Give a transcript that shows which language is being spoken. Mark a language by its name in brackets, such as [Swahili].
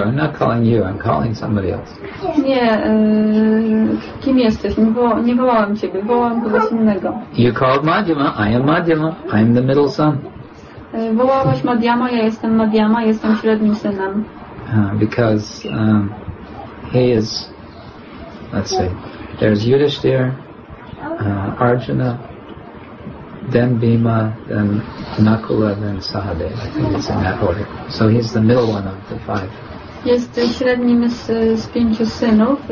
[English] I'm not calling you, I'm calling somebody else. [Polish] Nie, kim jesteś? Nie wołałem ciebie, wołałem kogoś innego. [English] You called Madhyama, I am Madhyama, I am the middle son. [Polish] Wołałeś Madhyama, ja jestem Madhyama, jestem średnim synem. [English] Because he is, let's see, there's Yudhishthir, Arjuna, then Bhima, then Nakula, then Sahadeva. I think it's in that order. So he's the middle one of the five. [Polish] Jest średnim z pięciu synów.